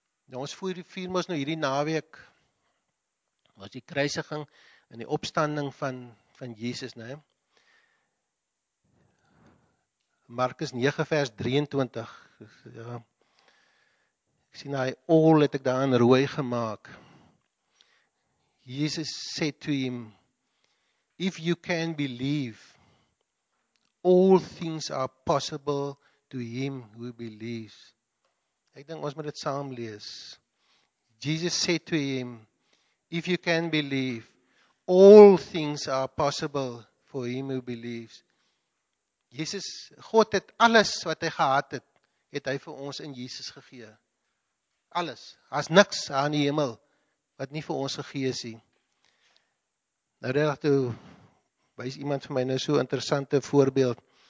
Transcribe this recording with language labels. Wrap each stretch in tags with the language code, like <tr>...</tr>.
<af>Nou ons vier mos nou hierdie naweek was die kruisiging en die opstanding van Jesus, né? Markus 9 vers 23. Ja. Ek sien hy al het ek daar in rooi gemaak.</af> <en>Jesus sê to him, if you can believe, all things are possible to him who believes.</en> <af>Ek dink ons moet dit saam lees.</af> <en>Jesus sê to him, if you can believe, all things are possible for him who believes.</en> <af>Jesus, God het alles wat hy gehad het, het hy vir ons in Jesus gegee. Alles. Daar's niks aan die hemel wat nie vir ons gegee is nie. Nou reg toe wys iemand vir my nou so 'n interessante voorbeeld.</af>